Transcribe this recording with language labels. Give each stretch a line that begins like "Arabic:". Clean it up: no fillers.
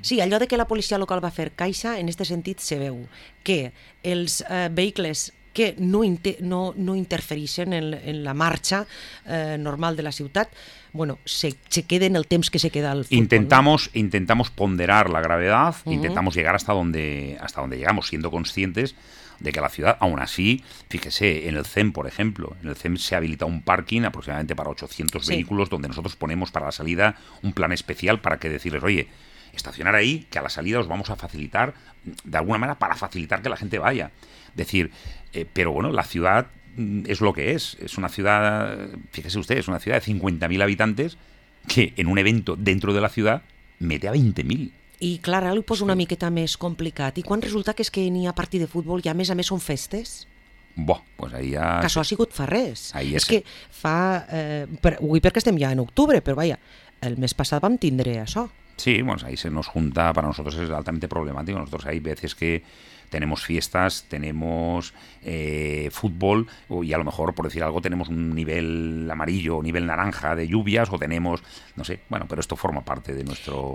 Catalan: Sí, allò de que la policia local va fer caixa, en este sentit se veu que els vehicles que no interferixen en la marxa normal de la ciutat, bueno, se queden el temps que se queda al futbol.
Spanish: Intentamos ponderar la gravedad, uh-huh. Intentamos llegar hasta donde llegamos, siendo conscientes de que la ciudad, aún así, fíjese, en el CEM, por ejemplo, en el CEM se habilita un parking aproximadamente para 800 vehículos, donde nosotros ponemos para la salida un plan especial para que decirles, oye, estacionar ahí, que a la salida os vamos a facilitar, de alguna manera, para facilitar que la gente vaya. Es decir, pero bueno, la ciudad es lo que es. Es una ciudad, fíjese usted, es una ciudad de 50.000 habitantes que en un evento dentro de la ciudad mete a 20.000.
Catalan: I clar, ara ho poso una miqueta més complicat. I quan resulta que és que n'hi ha partit de futbol i a més són festes?
Spanish: Buah, pues ahí ja...
Catalan: Que això ha sigut fa res. És que fa... Avui perquè estem ja en octubre, però vaja, el mes passat vam tindre això.
Spanish: Sí, pues ahí se nos junta, para nosotros es altamente problemático. Nosotros hay veces que tenemos fiestas, tenemos fútbol y a lo mejor, por decir algo, tenemos un nivel amarillo, nivel naranja de lluvias o tenemos, no sé, bueno, pero esto forma parte de nuestro...